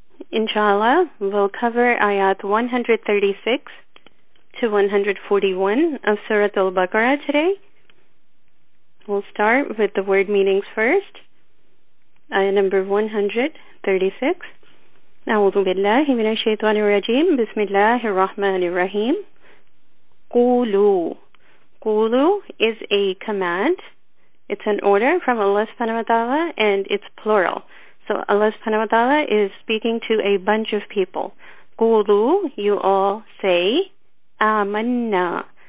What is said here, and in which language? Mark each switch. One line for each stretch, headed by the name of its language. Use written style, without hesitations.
English: Inshallah, we'll cover ayat 136 to 141 of Surah Al-Baqarah today. We'll start with the word meanings first. Ayah number 136.
Arabic: أعوذ بالله من الشيطان الرجيم. بسم الله الرحمن الرحيم. قولوا.
English: قولوا is a command. It's an order from Allah subhanahu wa ta'ala, and it's plural. So Allah subhanahu wa ta'ala is speaking to a bunch of people. قولوا, you all say.
Arabic: آمنا.